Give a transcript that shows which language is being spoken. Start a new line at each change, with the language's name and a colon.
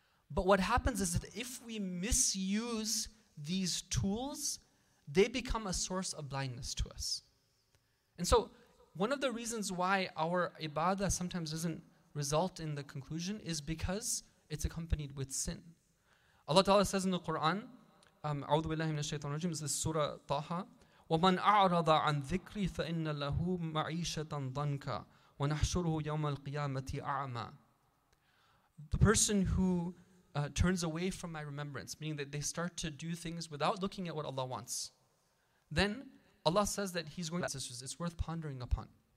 English: But what happens is that if we misuse these tools, they become a source of blindness to us. And so one of the reasons why our ibadah sometimes doesn't result in the conclusion is because it's accompanied with sin. Allah Ta'ala says in the Quran,
Arabic: أعوذ بالله من الشيطان الرجيم,
English: this is Surah Taha,
Arabic: وَمَنْ أَعْرَضَ عَنْ ذِكْرِي فَإِنَّ لَهُ مَعِيشَةً ضَنْكَ وَنَحْشُرُهُ يَوْمَ الْقِيَامَةِ أَعْمَى.
English: The person who turns away from my remembrance, meaning that they start to do things without looking at what Allah wants, then Allah says that He's going to say, it's worth pondering upon.